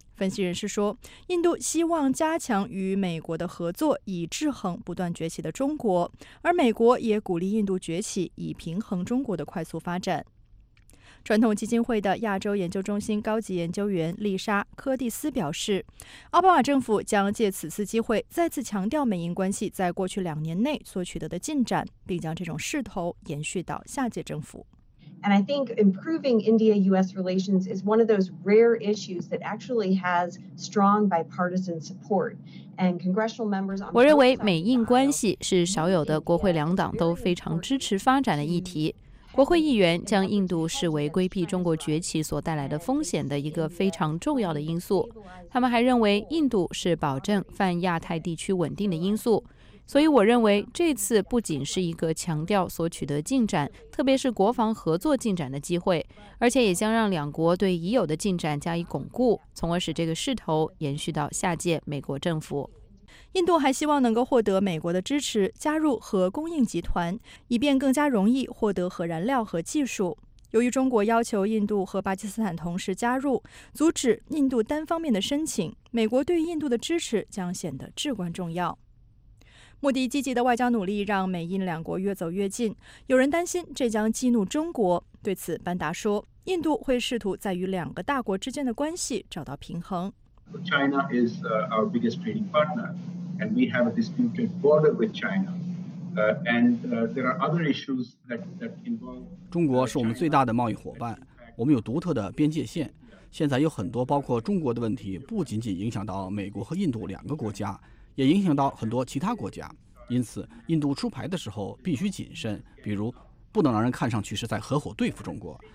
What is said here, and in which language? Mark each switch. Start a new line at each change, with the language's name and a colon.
Chinese: 分析人士说，印度希望加强与美国的合作，以制衡不断崛起的中国，而美国也鼓励印度崛起，以平衡中国的快速发展。传统基金会的亚洲研究中心高级研究员丽莎·科蒂斯表示，奥巴马政府将借此次机会再次强调美印关系在过去两年内所取得的进展，并将这种势头延续到下届政府。
English: And I think improving India-U.S. relations is one of those rare issues that actually has strong bipartisan support. And congressional members on.
Chinese: 我认为美印关系是少有的国会两党都非常支持发展的议题。国会议员将印度视为规避中国崛起所带来的风险的一个非常重要的因素。他们还认为印度是保证泛亚太地区稳定的因素。所以我认为这次不仅是一个强调所取得进展，特别是国防合作进展的机会，而且也将让两国对已有的进展加以巩固，从而使这个势头延续到下届美国政府。印度还希望能够获得美国的支持，加入核供应集团，以便更加容易获得核燃料和技术。由于中国要求印度和巴基斯坦同时加入，阻止印度单方面的申请，美国对印度的支持将显得至关重要。穆迪积极的外交努力让美印两国越走越近，有人担心这将激怒中国。对此班达说，印度会试图在与两个大国之间的关系找到平衡。
English: China is our biggest trading partner, and we have a disputed border with China. And there are other issues that involve.
Chinese: 中国是我们最大的贸易伙伴，我们有独特的边界线。现在有很多包括中国的问题，不仅仅影响到美国和印度两个国家，也影响到很多其他国家。因此，印度出牌的时候必须谨慎，比如不能让人看上去是在合伙对付中国。